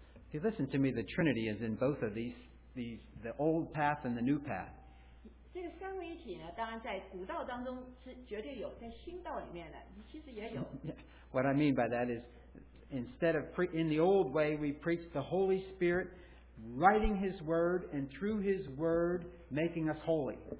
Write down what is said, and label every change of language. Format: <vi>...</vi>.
<en>If you listen to me, the Trinity is in both of these the old path and the new path.</en> <zh>这个三位一体呢，当然在古道当中是绝对有，在新道里面呢，其实也有。</zh> <en>What I mean by that is, instead of in the old way, we preach the Holy Spirit writing His Word and through His Word making us holy.</en>